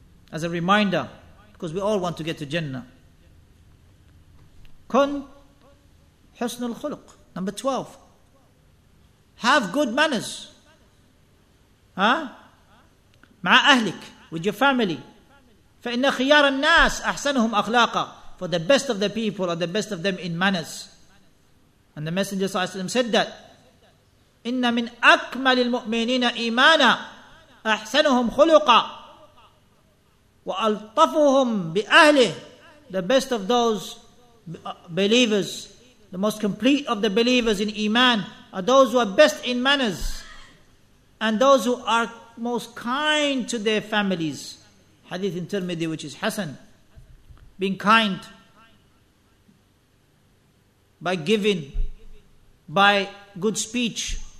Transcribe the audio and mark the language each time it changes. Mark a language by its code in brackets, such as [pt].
[en] As a reminder, because we all want to get to Jannah. [ar] Kun husnul khuluq. [en] Number 12. Have good manners. [ar] Ma'a ahlik, [en] with your family. [ar] فَإِنَّ خِيَارَ النَّاسِ أَحْسَنُهُمْ أَخْلَاقًا. [en] For the best of the people are the best of them in manners. And the Messenger said that, [ar] إِنَّ مِنْ أَكْمَلِ الْمُؤْمِنِينَ إِيمَانًا أَحْسَنُهُمْ خُلُقًا وَأَلْطَفُهُمْ بِأَهْلِهِ. [en] The best of those believers, the most complete of the believers in Iman, are those who are best in manners and those who are most kind to their families. Hadith in Tirmidhi, which is Hasan, being kind by giving, by good speech.